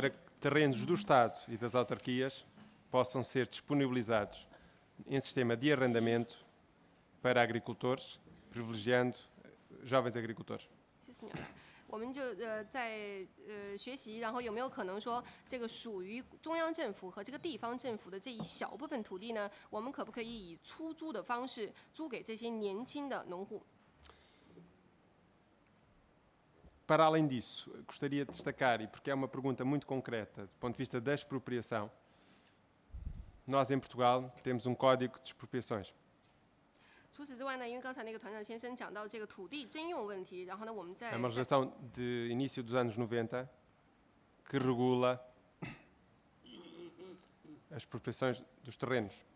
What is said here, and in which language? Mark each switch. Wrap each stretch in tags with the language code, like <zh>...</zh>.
<pt>Para que terrenos do Estado e das autarquias possam ser disponibilizados em sistema de arrendamento para agricultores, privilegiando jovens agricultores.</pt> <zh>我们就在学习，然后有没有可能说，这个属于中央政府和这个地方政府的这一小部分土地呢，我们可不可以以出租的方式租给这些年轻的农户</zh> <pt>？Para além disso, gostaria de destacar, e porque é uma pergunta muito concreta do ponto de vista da expropriação, nós em Portugal temos código de expropriações.</pt> <zh>除此之外呢，因为刚才那个团长先生讲到这个土地征用问题，然后呢，我们在</zh> <pt>é uma legislação de início dos anos 90 que regula as expropriações dos terrenos.</pt>